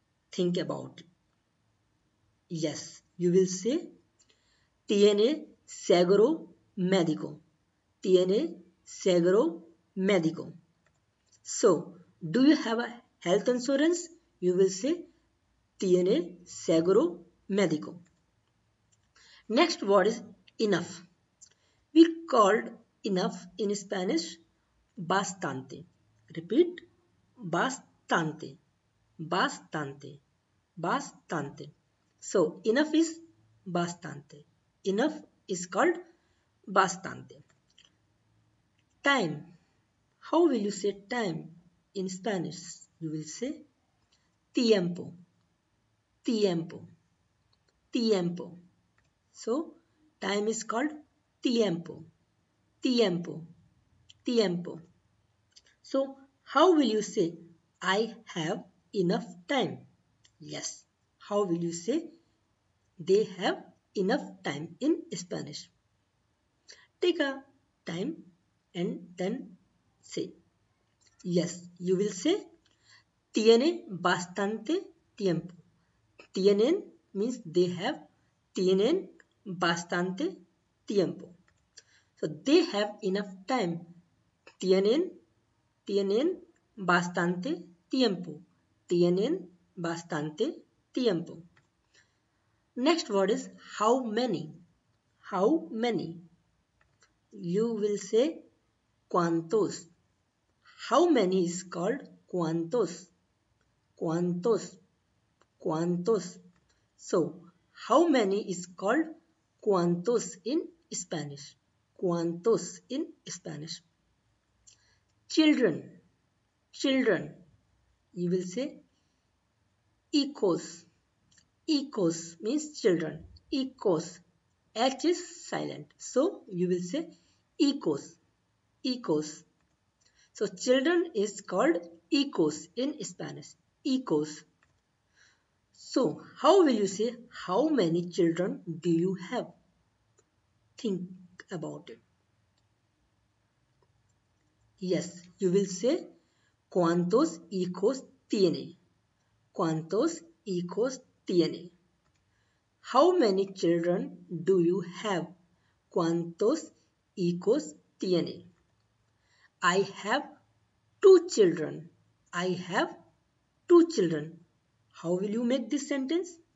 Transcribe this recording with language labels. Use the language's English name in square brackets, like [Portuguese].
[English] Think about it. Yes, you will say [Spanish] tiene seguro médico. Tiene seguro médico. [English] So, do you have a health insurance? You will say [Spanish] tiene seguro médico. [English] Next word is enough. We called enough in Spanish bastante. [Spanish] Repeat bastante. Bastante. Bastante. [English] So, enough is bastante. Enough is called bastante. Time. How will you say time in Spanish? You will say tiempo. Tiempo. Tiempo. So, time is called tiempo. Tiempo. Tiempo. So, how will you say I have enough time? Yes. How will you say they have enough time in Spanish? Take a time and then say. Yes, you will say [Spanish] tiene bastante tiempo. Tienen [English] means they have. [Spanish] Tienen bastante tiempo. [English] So they have enough time. [Spanish] Tienen. Tienen bastante tiempo. Tienen bastante tiempo. [English] Next word is how many. How many. You will say cuantos. How many is called cuantos. Cuantos. Cuantos. So how many is called cuantos in Spanish. Cuantos in Spanish. Children. Children. You will say hijos. Hijos means children. Ecos. H is silent. So you will say ecos. Ecos. So children is called ecos in Spanish. Ecos. So how will you say how many children do you have? Think about it. Yes, you will say [Spanish] cuántos hijos tiene. Cuántos hijos tiene. [English] How many children do you have? [Spanish] Cuántos hijos tiene. [English] I have two children. I have two children. How will you make this sentence?